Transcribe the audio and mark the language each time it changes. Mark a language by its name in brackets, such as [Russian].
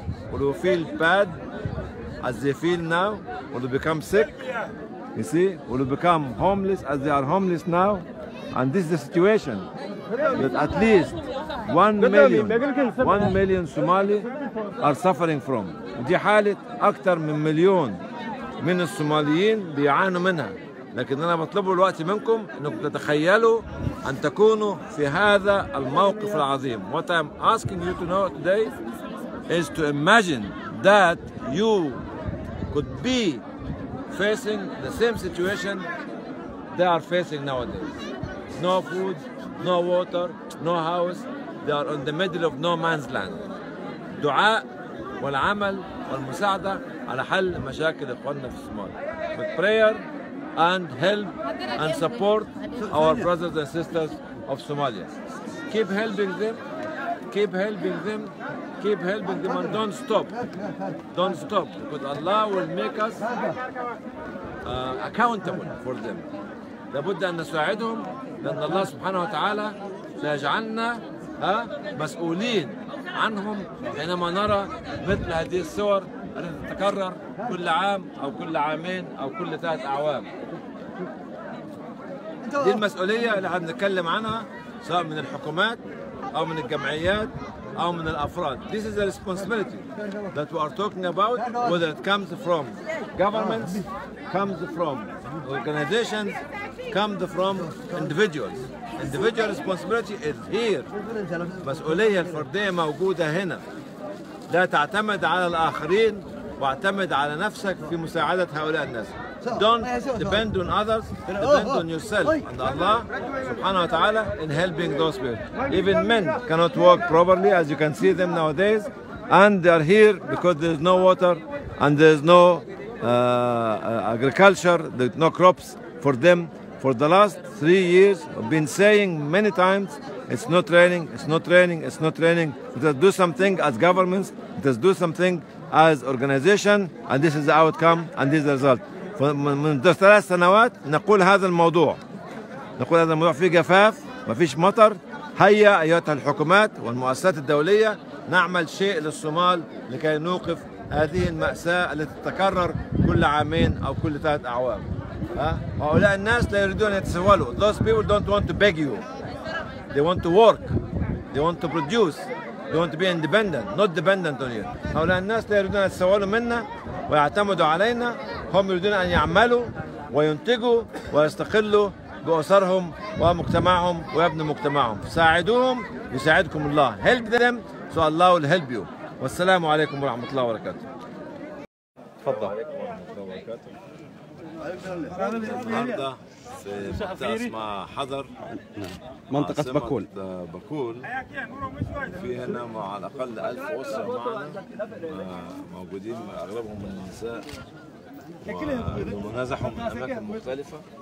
[English] Would we feel bad as they feel now? Would we become sick? You see, would we become homeless as they are homeless now? And this is the situation that at least 1 million Somali are suffering from. [Arabic] دي حالة أكتر من مليون من الصوماليين بيعانوا منها. لكن أنا بطلبه الوقت منكم أنكم تتخيلوا أن تكونوا في هذا الموقف العظيم. [English] What I'm asking you to know today is to imagine that you could be facing the same situation they are facing nowadays. No food, no water, no house. They are in the middle of no man's land. [Arabic] دعاء والعمل والمساعدة على حل مشاكل إخواننا في الصومال. [English] With prayer and help and support our brothers and sisters of Somalia. Keep helping them. Keep helping them. Keep helping them and don't stop. Don't stop. Because Allah will make us accountable for them. [Arabic] لابد أن نساعدهم لأن الله سبحانه وتعالى سيجعلنا مسؤولين عنهم حينما نرى مثل هذه الصور التي تتكرر كل عام أو كل عامين أو كل ثلاث أعوام. دي المسؤولية اللي هنتكلم عنها سواء من الحكومات أو من الجمعيات أو من الأفراد. [English] This is the responsibility that we are talking about, whether it comes from governments, comes from organizations, comes from individuals. Individual responsibility is here. [Arabic] مسؤولية الفردية موجودة هنا. لا تعتمد على الآخرين واعتمد على نفسك في مساعدة هؤلاء الناس. [English] Don't depend on others, depend on yourself. And Allah subhanahu wa ta'ala in helping those people. Even men cannot walk properly as you can see them nowadays. And they are here because there is no water and there is no agriculture, there is no crops for them. For the last 3 years, I've been saying many times, it's not raining, it's not raining, it's not raining. It has to do something as governments, it has to do something as organization, and this is the outcome and this is the result. [Arabic] من 3 سنوات نقول هذا الموضوع، نقول هذا الموضوع فيه جفاف، ما فيش مطر، هيا أيتها الحكومات والمؤسسات الدولية نعمل شيء للصومال لكي نوقف هذه المأساة التي تتكرر كل عامين أو كل 3 أعوام. هؤلاء الناس لا يريدون أن يتسولوا. [English] Those people don't want to beg you. They want to work. They want to produce. They want to be independent, not dependent on you. [Arabic] هؤلاء الناس لا يريدون أن يتسولوا منا ويعتمدوا علينا. هم يريدون أن يعملوا وينتجوا ويستقلوا بأسرهم ومجتمعهم ويبنوا مجتمعهم. ساعدوهم يساعدكم الله. [English] Help them so Allah will help you. [Arabic] والسلام عليكم ورحمة الله وبركاته. تفضل. النهارده في بتاع اسمها حذر منطقة بكول. بكول في هنا مع على الأقل 1000 أسرة معنا موجودين، أغلبهم من النساء ومنازحهم من أماكن مختلفة.